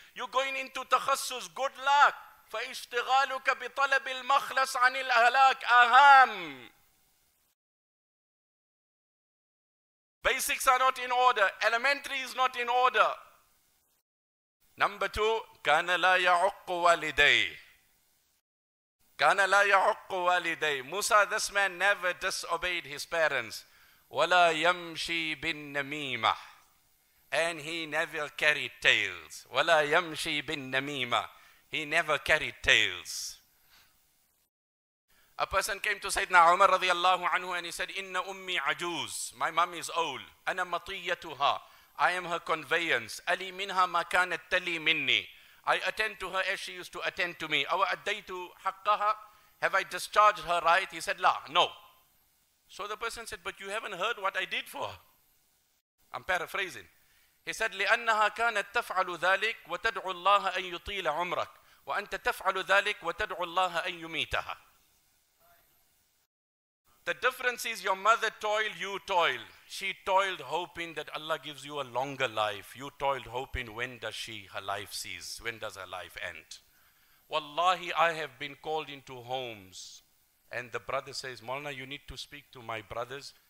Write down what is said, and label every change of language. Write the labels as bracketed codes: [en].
[en] You're going into takhassus. Good luck. [ar] فَإِشْتِغَالُكَ بِطَلَبِ الْمَخْلَصْ عَنِ الْأَهْلَاكِ أَهَمْ [en] Basics are not in order. Elementary is not in order. Number two, [ar] كان لا يعق والدي كان لا يعق والدي. [en] Musa, this man never disobeyed his parents. [ar] ولا يمشي بالنميمة, [en] and he never carried tales. [ar] ولا يمشي بالنميمة, [en] he never carried tales. A person came to Sayyidina Umar radiallahu anhu and he said, [ar] Inna ummi ajuz, [en] my mom is old. [ar] Ana matiyatuha, [en] I am her conveyance. [ar] Ali minha ma kanat tali minni, [en] I attend to her as she used to attend to me. [ar] Awa addaytu haqqaha, [en] have I discharged her right? He said, La, no. So the person said, but you haven't heard what I did for her. I'm paraphrasing. He said, [ar] لأنها كانت تفعل ذلك وتدعو الله أن يطيل عمرك وأنت تفعل ذلك وتدعو الله أن يميتها. [en] The difference is your mother toiled, you toil. She toiled hoping that Allah gives you a longer life. You toiled hoping when does she, her life cease? When does her life end? Wallahi, I have been called into homes and the brother says, Maulana, you need to speak to my brothers.